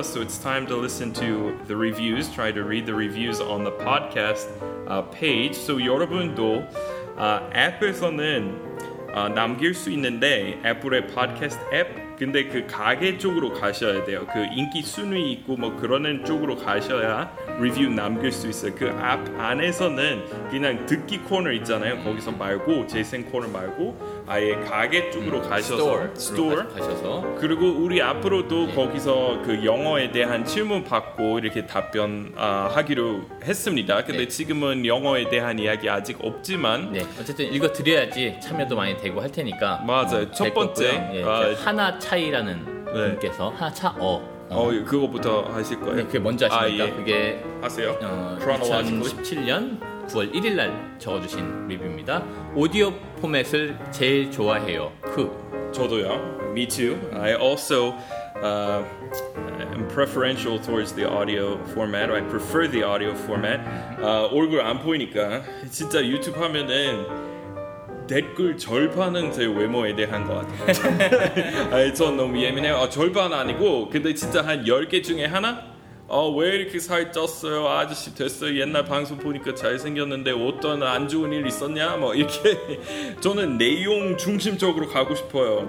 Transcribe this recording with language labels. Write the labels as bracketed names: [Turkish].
[English] So it's time to listen to the reviews. Try to read the reviews on the podcast page. [Korean] So 여러분도 앱에서는 남길 수 있는데 애플의 팟캐스트 앱. 근데 그 가게 쪽으로 가셔야 돼요. 그 인기 순위 있고 뭐 그러는 쪽으로 가셔야 리뷰 남길 수 있어요. 그 앱 안에서는 그냥 듣기 코너 있잖아요. 거기서 말고 재생 코너 말고 아예 가게 쪽으로 가셔서 스토어 가셔서 그리고 우리 앞으로도 예. 거기서 그 영어에 대한 질문 받고 이렇게 답변 하기로 했습니다. 근데 예. 지금은 영어에 대한 이야기 아직 없지만 네 어쨌든 읽어 드려야지 참여도 많이 되고 할 테니까 맞아요. 첫 번째 예. 하나 차이라는 네. 분께서 하나 차 어 그거부터 하실 거예요? 네, 그게 뭔지 아십니까? 아, 예. 그게 하세요. 2017년 9월 1일 날 적어주신 리뷰입니다. 오디오 포맷을 제일 좋아해요. 저도요. [English] Me too. I also am preferential towards the audio format. I prefer the audio format. [Korean] 얼굴 안 보이니까 진짜 유튜브 하면은 댓글 절반은 제 외모에 대한 것 같아요. 아, 전 너무 예민해요. 아, 절반 아니고 근데 진짜 한 10개 중에 하나 아, 왜 이렇게 살 쪘어요 아저씨 됐어요 옛날 방송 보니까 잘생겼는데 어떤 안 좋은 일 있었냐 뭐 이렇게 저는 내용 중심적으로 가고 싶어요.